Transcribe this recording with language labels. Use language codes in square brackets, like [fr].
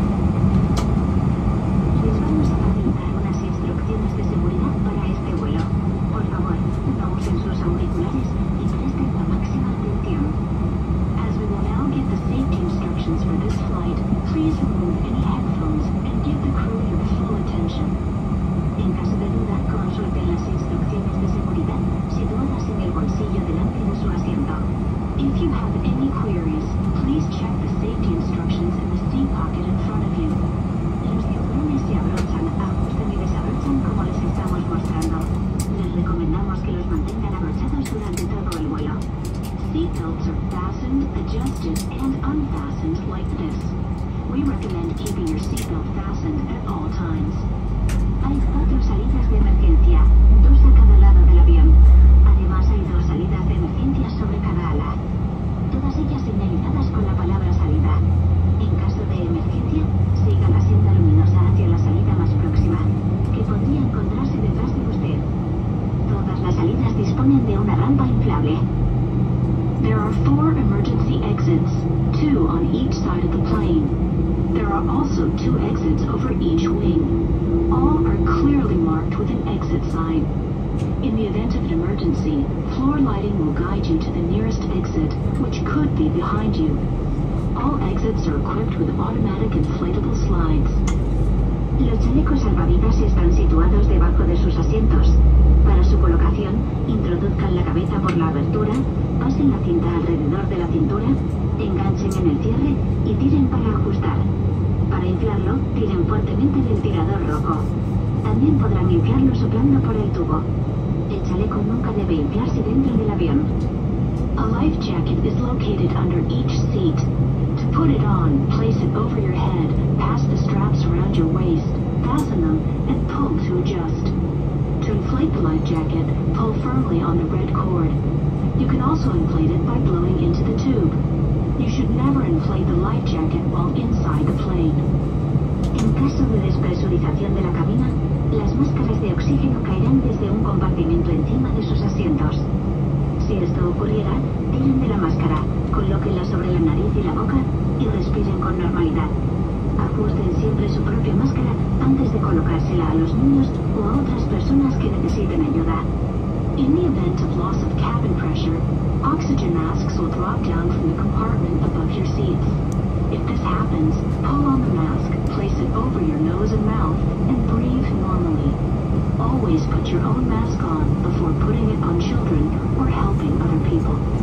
[es] Les vamos a facilitar unas instrucciones de seguridad para este vuelo. Por favor, no usen sus auriculares y presten la máxima atención. [en] As we will now give the safety instructions for this flight, please remove any headphones and give the crew your full attention. [es] En caso de duda, consulte las instrucciones de seguridad situadas en el bolsillo delante de su asiento. [en] If you have any queries, please check the safety instructions in the seat pocket in front of you. [es] Los cinturones se abrochan, ajusten y desabrochan como les estamos mostrando. Les recomendamos que los mantengan abrochados durante todo el vuelo. [en] Seat belts are fastened, adjusted, and unfastened like this. We recommend keeping your seat belt fastened at all times. [es] Hay 4 salidas de emergencia, 2 a cada lado del avión. Además, hay 2 salidas de emergencia sobre cada ala. Todas ellas señalizadas con la palabra salida. En caso de emergencia, siga la senda luminosa hacia la salida más próxima, que podría encontrarse detrás de usted. Todas las salidas disponen de una rampa inflable. [en] There are 4 emergency exits, 2 on each side of the plane. There are also 2 exits over each wing. All are clearly marked with an exit sign. In the event of an emergency, floor lighting will guide you to the nearest exit, which could be behind you. All exits are equipped with automatic inflatable slides. [es] Los chalecos salvavidas están situados debajo de sus asientos. Para su colocación, introduzcan la cabeza por la abertura, pasen la cinta alrededor de la cintura, enganchen en el cierre y tiren para ajustar. Para inflarlo, tiren fuertemente del tirador rojo. También podrán inflarlo soplando por el tubo. El chaleco nunca debe inflarse dentro del avión. [en] A life jacket is located under each seat. To put it on, place it over your head, pass the straps around your waist, fasten them, and pull to adjust. To inflate the life jacket, pull firmly on the red cord. You can also inflate it by blowing into the tube. You should never inflate the life jacket while inside the plane. [es] En caso de despresurización de la cabina, las máscaras de oxígeno caerán desde un compartimento encima de sus asientos. Si esto ocurriera, tiren de la máscara, colóquenla sobre la nariz y la boca y respiren con normalidad. Ajusten siempre su propia máscara antes de colocársela a los niños o a otras personas que necesiten ayuda. [en] In the event of loss of cabin pressure, oxygen masks will drop down from the compartment above your seats. If this happens, pull on the mask, place it over your nose and mouth, and breathe normally. Always put your own mask on before putting it on children or helping other people.